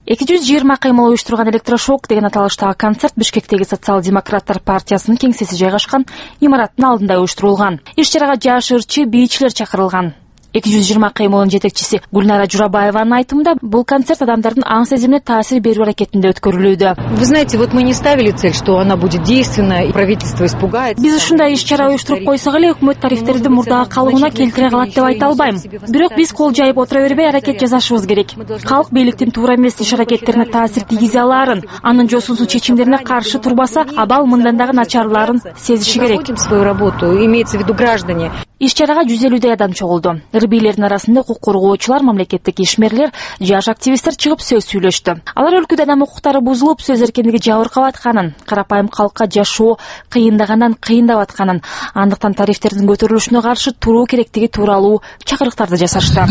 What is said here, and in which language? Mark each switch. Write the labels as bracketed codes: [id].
[ky] 220 кыймыл уюштурган электрошок деген аталыштагы концерт Бишкектеги Социал-демократтар партиясынын кеңсеси жайгашкан имараттын алдында уюштурулган. Иш чарага жаш ырчы, бийчилер чакырылган. 220 кыймылынын жетекчиси Гүлнара Журабаеванын айтымында бул концерт адамдардын аң сезимине таасир берүү аракетинде өткөрүлүүдө. [ru] Вы знаете, вот мы не ставили цель, что она будет действенна, и правительство испугается. [ky] Биз ушундай иш чара уюштуруп койсок эле өкмөт тарифтерди мурдагы калыбына келтире калат деп айта албайм. Бирок биз кол жайып отура бербей аракет жасашыбыз керек. Калк бийликтин туура эмес иш аракеттерине таасир тийгизе аларын, анын жосунсуз чечимдерине каршы турбаса, абал мындандагы начарларын сезиши керек. [ru] Имеется в виду граждане. [ky] Иш чарага 150 адам чогулду. Ырбийлердин арасында укук коргоочулар, мамлекеттик ишмерлер, жаш активисттер чыгып сөз сүйлөштү. Алар өлкөдө адам укуктары бузулуп, сөз эркиндиги жабыркап атканын, карапайым калкка жашоо кыйындагандан кыйындап атканын, андыктан тарифтердин көтөрүлүшүнө каршы туруу керектиги тууралуу чакырыктарды жасашты.